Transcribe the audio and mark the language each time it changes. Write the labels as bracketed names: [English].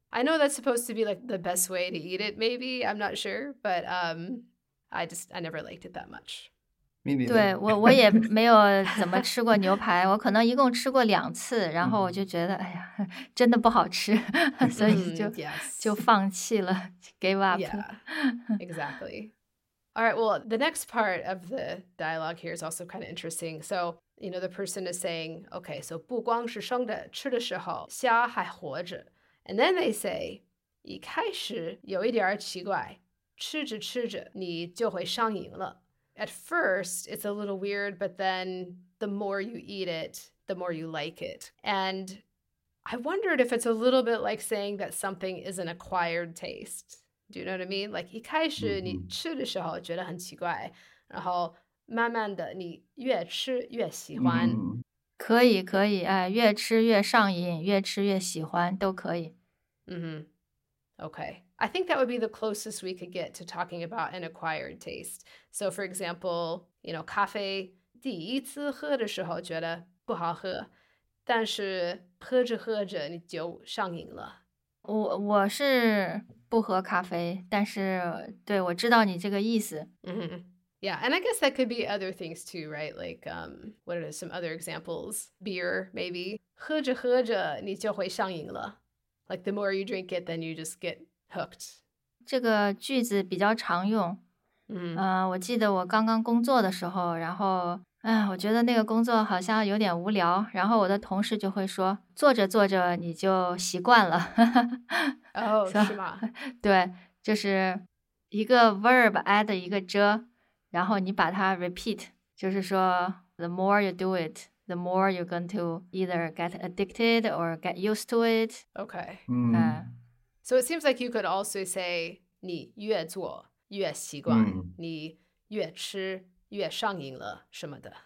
[English] I know that's supposed to be like the best way to eat it, maybe. I'm not sure, but I never liked it that much. Me neither. [Chinese] 对，我也没有怎么吃过牛排，我可能一共吃过两次，然后我就觉得，哎呀，真的不好吃，所以就就放弃了 ， [English] gave up. Yeah, exactly. All right, well, the next part of the dialogue here is also kind of interesting. So, you know, the person is saying, okay, so [Chinese] 不光是生的，吃的时候虾还活着。 [English] And then they say, [Chinese] 一开始有一点奇怪，吃着吃着你就会上瘾了。 [English] At first, it's a little weird, but then the more you eat it, the more you like it. And I wondered if it's a little bit like saying that something is an acquired taste. Do you know what I mean? Like, [Chinese] 一开始你吃的时候觉得很奇怪，然后慢慢的你越吃越喜欢。可以可以、哎、越吃越上瘾越吃越喜欢都可以。嗯、mm-hmm. Okay. [English] I think that would be the closest we could get to talking about an acquired taste. So for example, you know, [Chinese] 咖啡第一次喝的时候觉得不好喝但是喝着喝着你就上瘾了。我是不喝咖啡但是对我知道你这个意思。嗯、mm-hmm. [English] Yeah, and I guess that could be other things too, right? Like, what are some other examples? Beer, maybe. [Chinese] 喝着喝着你就会上瘾了。 [English] Like, the more you drink it, then you just get hooked. [Chinese] 这个句子比较常用。嗯、我记得我刚刚工作的时候，然后，我觉得那个工作好像有点无聊，然后我的同事就会说，做着做着你就习惯了。哦、 [English] oh, [Chinese] ，是吗？对，就是一个 verb add 一个着。然后你把它 [English] repeat， [Chinese] 就是说 [English] the more you do it， the more you're going to either get addicted or get used to it. Okay.、 Mm. So it seems like you could also say [Chinese] 你越做越习惯、 [English] mm. [Chinese] 你越吃越上瘾了什么的。